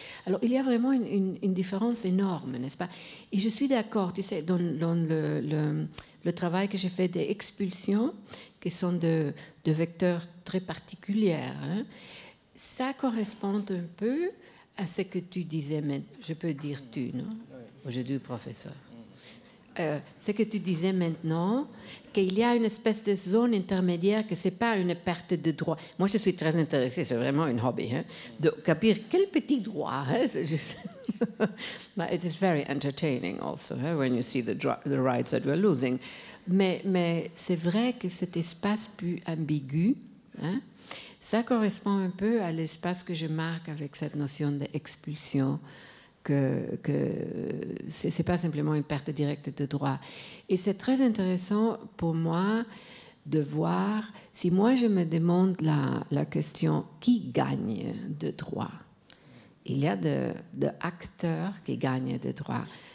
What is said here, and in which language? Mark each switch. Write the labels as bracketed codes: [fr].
[fr] Alors, il y a vraiment une différence énorme, n'est-ce pas? Et je suis d'accord, tu sais, dans le travail que j'ai fait des expulsions, qui sont de vecteurs très particuliers, hein, ça correspond un peu à ce que tu disais, mais je peux dire tu, non? Aujourd'hui, professeur. Ce que tu disais maintenant, qu'il y a une espèce de zone intermédiaire, que ce n'est pas une perte de droit. Moi, je suis très intéressée, c'est vraiment un hobby, hein, de capir quel petit droit. Hein, c'est juste... [en] But it is very entertaining also, hein, when you see the rights that we're losing. [fr] Mais c'est vrai que cet espace plus ambigu, hein, ça correspond un peu à l'espace que je marque avec cette notion d'expulsion, que ce n'est pas simplement une perte directe de droit. Et c'est très intéressant pour moi de voir, si moi je me demande la question qui gagne de droit, il y a des acteurs qui gagnent de droit.